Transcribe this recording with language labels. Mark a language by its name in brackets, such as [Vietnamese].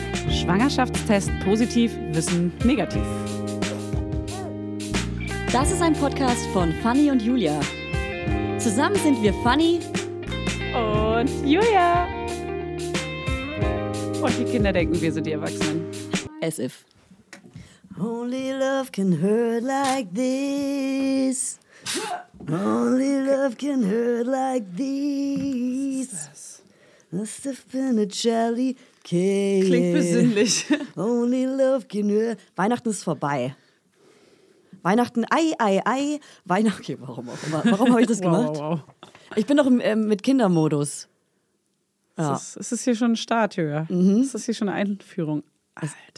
[German] Schwangerschaftstest positiv, Wissen negativ. Das ist ein Podcast von Fanny und Julia. Zusammen sind wir Fanny und Julia. Und die Kinder denken, wir sind die Erwachsenen. [English] As if. Only love can hurt like this. Only love can hurt like this. Must have been a jelly cake. [German] Klingt besinnlich. [English] Only love can hurt. [German] Weihnachten ist vorbei. Weihnachten, ei, ei, ei. Weihnachten, okay, warum auch immer. Warum habe ich das gemacht? Wow. Ich bin noch mit Kindermodus. Ja. Es ist hier schon ein Start, Julia. Mhm. Es ist hier schon eine Einführung. Alter.